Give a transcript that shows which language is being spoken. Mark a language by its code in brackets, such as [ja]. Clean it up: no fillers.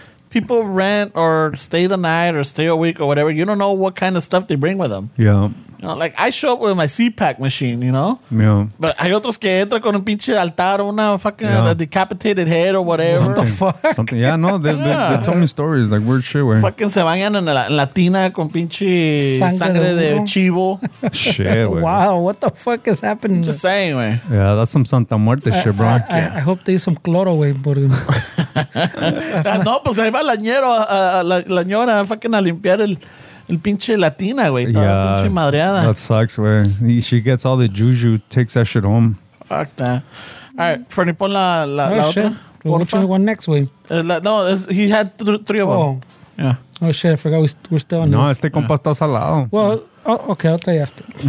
[en] People rent or stay the night or stay a week or whatever. You don't know what kind of stuff they bring with them. Yeah. You know, like, I show up with my CPAC machine, you know? Yeah. [es] But hay otros que entra con un pinche altar, una [en] fucking decapitated head or whatever. What the fuck? Something. Yeah, no, they told me stories, like, weird shit. Where [es] fucking se bañan en la tina con pinche sangre de chivo. [en] Shit, wey. Wow, what the fuck is happening? Just saying, wey. Yeah, that's some Santa Muerte shit, bro. I hope they use some cloro, wey. [es] No, pues ahí va la ñero, la ñora, fucking a limpiar el pinche latina, güey. Yeah, pinche madreada. [en] That sucks, güey. She gets all the juju, takes that shit home. Fuck that. All right, Fernie, [es] pon la otra. [en] Which one next, güey? He had three of them. Yeah. Oh, shit, I forgot we're still on this. [es] No, este compa está salado. [en] Well, okay, I'll tell you after.